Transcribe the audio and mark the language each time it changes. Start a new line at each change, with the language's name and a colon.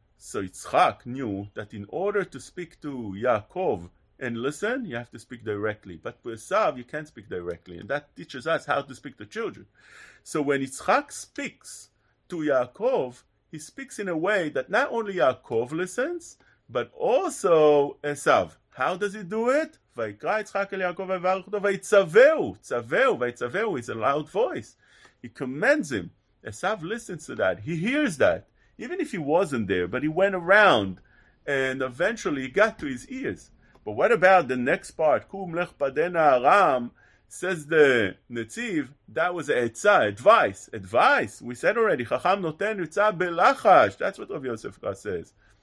English: So Yitzchak knew that in order to speak to Yaakov and listen, you have to speak directly. But with Esav, you can't speak directly. And that teaches us how to speak to children. So when Yitzchak speaks to Yaakov, he speaks in a way that not only Yaakov listens, but also Esav. How does he do it?
Hebrew: ויקרא יצחק אל יעקב ויברך אותו ויצווהו, צווהו, ויצווהו,
English: it's a loud voice. He commends him. Esav listens to that. He hears that. Even if he wasn't there, but he went around and eventually he got to his ears. But what about the next part?
Hebrew: Kum lech padena aram,
English: says the Netziv, that was a etzah, advice. Advice. We said already,
Hebrew: Chacham noten etzah belachash.
English: That's what Rav Yosef Kass says.